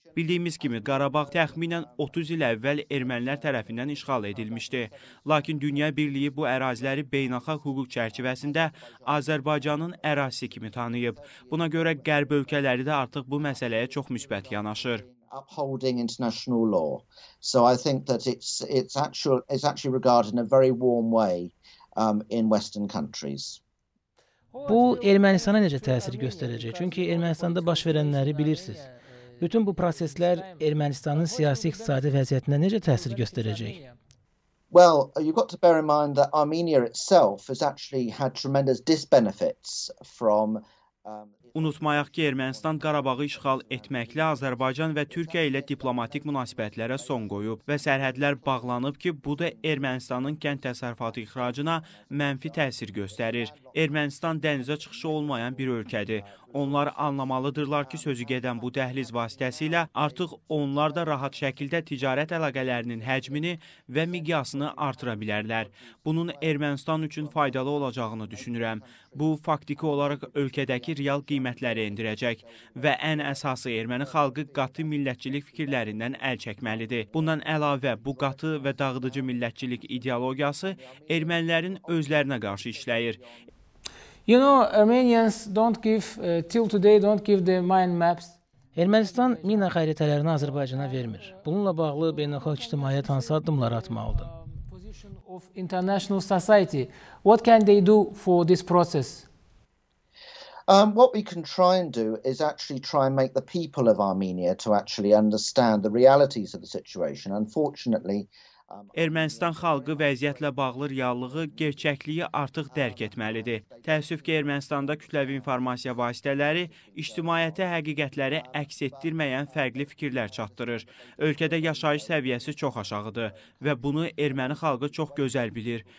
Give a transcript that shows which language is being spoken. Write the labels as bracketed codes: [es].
[az] Bildiyimiz kimi, Qarabağ təxminən 30 il əvvəl ermənilər tərəfindən işğal edilmişdi. Lakin Dünya Birliyi bu əraziləri beynəlxalq hüquq çərçivəsində Azərbaycanın ərazisi kimi tanıyıb. Buna görə qərb ölkələri də artıq bu məsələyə çox müsbət yanaşır. [en] Upholding international law. So I think that it's actually regarded in a very warm way in Western countries. [az] Bu, Ermənistana necə təsir göstərəcək? Çünki Ermənistanda baş verənləri bilirsiniz. Bütün bu proseslər Ermənistanın siyasi-iqtisadi vəziyyətinə necə təsir göstərəcək? [en] Well, you've got to bear in mind that Armenia itself has actually had tremendous disbenefits from [az] Unutmayaq ki, Ermənistan Qarabağı işğal etməklə Azərbaycan və Türkiyə ilə diplomatik münasibətlərə son qoyub və sərhədlər bağlanıb ki, bu da Ermənistanın kənd təsərrüfatı ixracına mənfi təsir göstərir. Ermənistan dənizə çıxışı olmayan bir ölkədir. Onlar anlamalıdırlar ki, sözü gedən bu dəhliz vasitəsilə artıq onlar da rahat şəkildə ticarət əlaqələrinin həcmini və miqyasını artıra bilərlər. Bunun Ermənistan üçün faydalı olacağını düşünürəm. Bu, faktiki olaraq ölkədəki real qiymətləri endirəcək və ən əsası erməni xalqı qatı millətçilik fikirlərindən əl çəkməlidir. Bundan əlavə, bu qatı və dağıdıcı millətçilik ideologiyası ermənilərin özlərinə qarşı işləyir. [en] You know, Armenians don't give, till today don't give the mine maps. [az] Ermənistan mina xəritələrini Azərbaycana vermir. Bununla bağlı beynəlxalq ictimaiyyət hansı addımlar atmalıdır? [en] Position of international society. What can they do for this process? What we can try and do is actually try and make the people of Armenia to actually understand the realities of the situation. Unfortunately, [az] Ermənistan xalqı vəziyyətlə bağlı reallığı, gerçəkliyi artıq dərk etməlidir. Təəssüf ki, Ermənistanda kütləvi informasiya vasitələri ictimaiyyətə həqiqətləri əks etdirməyən fərqli fikirlər çatdırır. Ölkədə yaşayış səviyyəsi çox aşağıdır və bunu erməni xalqı çox gözəl bilir.